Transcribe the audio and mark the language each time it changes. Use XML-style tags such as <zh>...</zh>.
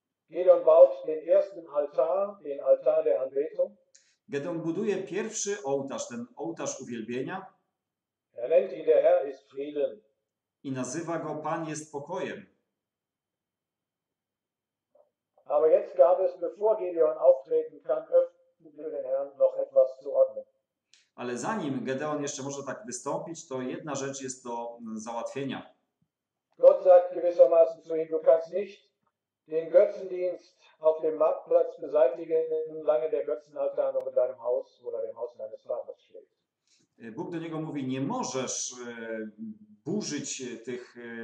<de>Gedeon baut den ersten Altar, den Altar der Anbetung.</de> <pl>Gedeon buduje pierwszy ołtarz, ten ołtarz uwielbienia.</pl> <de>Er nennt ihn, der Herr ist Frieden.</de> <pl>I nazywa go Pan jest pokojem.</pl> <de>Aber jetzt gab es, bevor Gedeon auftreten kann, öffentlich für den Herrn noch etwas zu ordnen.</de> <pl>Ale zanim Gedeon jeszcze może tak wystąpić, to jedna rzecz jest do załatwienia.</pl> <de>Gott sagt gewissermaßen zu ihm, du kannst nicht den Götzendienst auf dem Marktplatz beseitigen, lange der Götzenaltar noch in deinem Haus oder dem Haus deines Vaters steht.</de> <pl>Bóg do niego mówi, nie możesz burzyć tych</pl>